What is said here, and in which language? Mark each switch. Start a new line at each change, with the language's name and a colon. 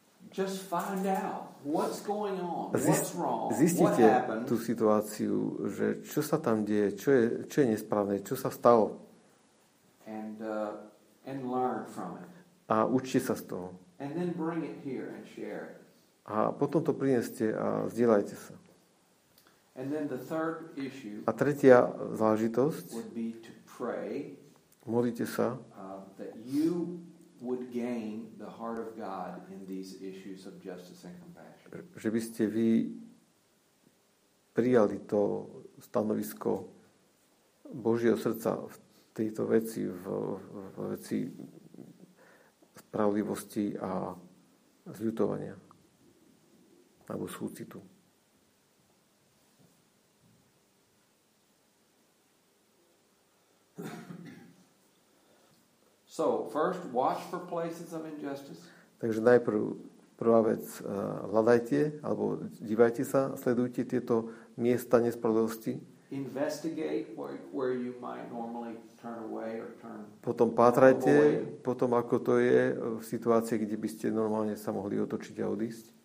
English: Just find out what's going on. What's wrong?
Slovak: Zistite tú situáciu, že čo sa tam deje, čo je nesprávne, čo sa stalo.
English: And learn from it.
Slovak: A učte sa z toho.
English: And then bring it here and share.
Slovak: A potom to prineste a zdieľajte sa.
English: And then the third issue.
Slovak: A tretia záležitosť.
English: Would be to pray.
Slovak: Modlite sa.
English: That you would gain the heart of God in these issues of justice and compassion.
Slovak: Že by ste vy prijali to stanovisko Božieho srdca v tejto veci, v veci spravodlivosti a zľutovania alebo súcitu.
English: So, first, watch for places of injustice.
Slovak: Takže najprv, prvá vec, hľadajte, alebo dívajte sa, sledujte tieto miesta nespravodlivosti.
English: Investigate where you might normally turn away or turn.
Slovak: Potom pátrajte, potom ako to je v situácii, kde by ste normálne sa mohli otočiť a odísť.